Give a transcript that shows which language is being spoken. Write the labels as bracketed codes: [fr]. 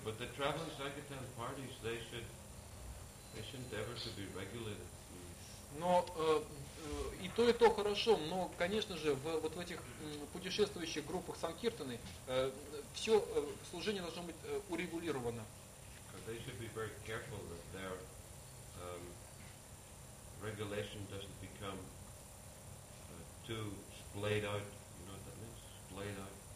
[en] But the traveling sankirtan parties, they should endeavor to be regulated. [ru] Но и то хорошо, но, конечно же, в этих путешествующих группах санкиртаны все служение должно быть урегулировано. [en] They should be very careful that their regulation doesn't become too splayed out. You know what that means? Splayed out.